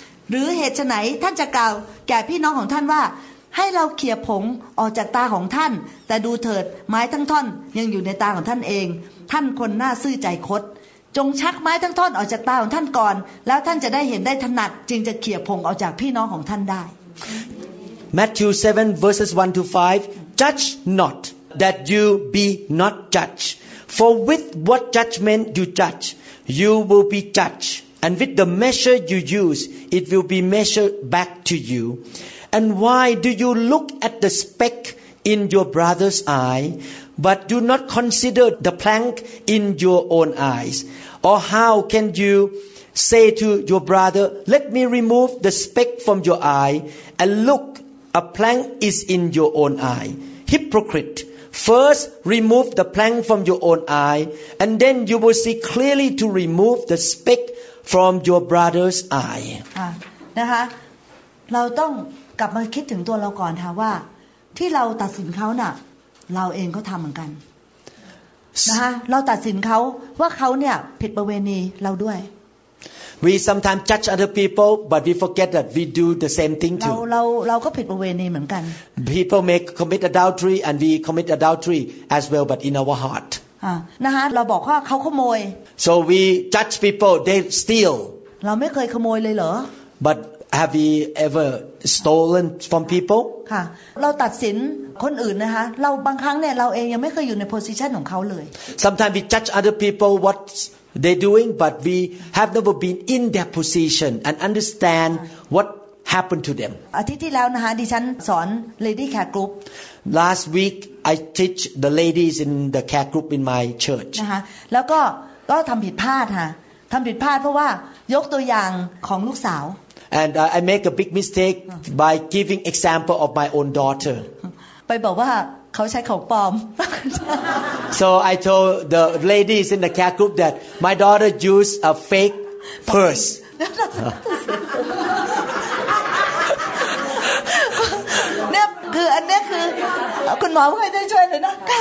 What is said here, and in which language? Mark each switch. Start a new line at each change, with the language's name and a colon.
Thai: หรือเหตุไฉนท่านจะกล่าวแก่พี่น้องของท่านว่าให้เราเขี่ยผงออกจากตาของท่านแต่ดูเถิดไม้ทั้งท่อนยังอยู่ในตาของท่านเองท่านคนน่าซื่อใจคดจงชักไม้ทั้งท่อนออกจากตาของท่านก่อนแล้วท่านจะได้เห็นได้ถนัดจึงจะเขี่ยผงออกจากพี่น้องของท่านได้
English: Matthew 7 verses 1 to 5 Judge not that you be not judged for with what judgment you judge you will be judged and with the measure you use it will be measured back to you and why do you look at the speck in your brother's eye but do not consider the plank in your own eyes or how can you say to your brother let me remove the speck from your eye and look a plank is in your own eye hypocrite first remove the plank from your own eye and then you will see clearly to remove the speck from your brother's eye
Thai: นะคะเราต้องกลับมาคิดถึงตัวเราก่อนค่ะว่าที่เราตัดสินเขาน่ะเราเองก็ทำเหมือนกันนะคะเราตัดสินเขาว่าเขาเนี่ยผิดประเวณีเราด้วย
English: We sometimes judge other people but we forget that we do the same thing too
Thai: เราก็ผิดประเวณีเหมือนกัน
English: People may commit adultery and we commit adultery as well but in our heart
Thai: นะคะเราบอกว่าเขาขโมย
English: So we judge people they steal
Thai: เราไม่เคยขโมยเลยเหรอ
English: butHave we ever stolen from people?
Thai: ค่ะเราตัดสินคนอื่นนะคะเราบางครั้งเนี่ยเราเองยังไม่เคยอยู่ในโพสิชันของเขาเลย
English: Sometimes we judge other people what they doing but we have never been in their position and understand what happened to them.
Thai: อาทิตย์ที่แล้วนะคะดิฉันสอน Lady Care Group.
English: Last week I teach the ladies in the care group in my church.
Thai: นะคะแล้วก็ทำผิดพลาดค่ะทำผิดพลาดเพราะว่ายกตัวอย่างของลูกสาว
English: And I make a big mistake by giving example of my own daughter.
Thai: ไปบอกว่าเขาใช้ของปลอม
English: So I told the ladies in the care group that my daughter used a fake purse.
Thai: เนี่ยคืออันนี้คือคุณหมอไม่ได้ช่วยเลยนะ